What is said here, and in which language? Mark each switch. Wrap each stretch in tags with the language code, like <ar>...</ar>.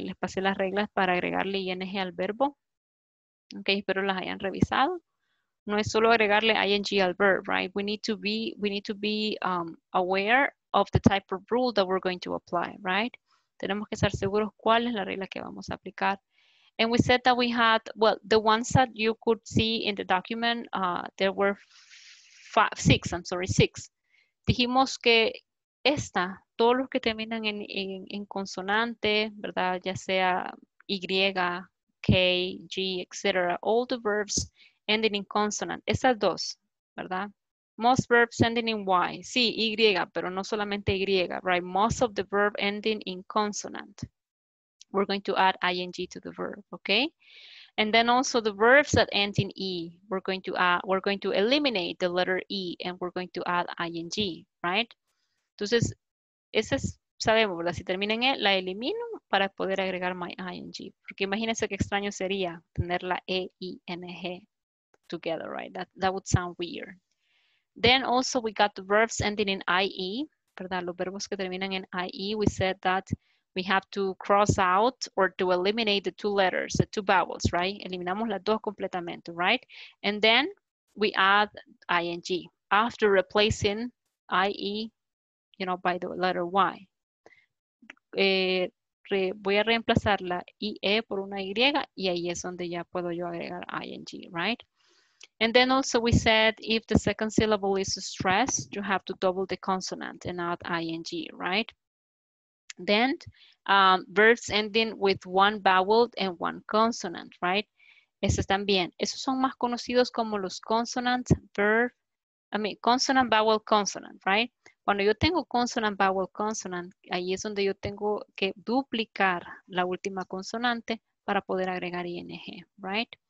<es>Les pasé las reglas para agregarle ING al verbo. Okay, espero las hayan revisado. No es solo agregarle ING al</es> <en>verb, right? We need to be aware of the type of rule that we're going to apply, right?</en> <es>Tenemos que estar seguros cuál es la regla que vamos a aplicar.</es> <en>And we said that we had, well, the ones that you could see in the document, there were six.</en> <es>Dijimos que esta, todos los que terminan en consonante, ¿verdad? Ya sea Y, K, G, etc.</es> <en>All the verbs ending in consonant.</en> <es>Esas dos, ¿verdad?</es> <en>Most verbs ending in Y.</en> <es>Sí, Y, pero no solamente Y,</es> <en>right? Most of the verb ending in consonant. We're going to add ing to the verb, okay? And then also the verbs that end in E, we're going to eliminate the letter E and we're going to add ing, right?</en> <es>Entonces, ese es, sabemos, ¿verdad? Si termina en E, la elimino para poder agregar</es> <en>my ing.</en> <es>Porque imagínense qué extraño sería tener la E, I, N, G</es> <en>together, right? That would sound weird. Then also we got the verbs ending in IE,</en> <es>¿verdad? Los verbos que terminan en IE,</es> <en>we said that we have to cross out or to eliminate the two letters, the two vowels, right?</en> <es>Eliminamos las dos completamente,</es> <en>right? And then we add ING after replacing IE, you know, by the letter Y.</en> <es>Voy a reemplazar la IE por una Y y ahí es donde ya puedo yo agregar ING, right?</es> <en>And then also we said, if the second syllable is stressed, you have to double the consonant and add ing, right? Then verbs ending with one vowel and one consonant, right?</en> <es>Esos también. Esos son más conocidos como los</es> <en>consonant verb, I mean, consonant, vowel, consonant, right?</en> <es>Cuando yo tengo</es> <en>consonant, vowel, consonant,</en> <es>ahí es donde yo tengo que duplicar la última consonante para poder agregar ing, right?</es>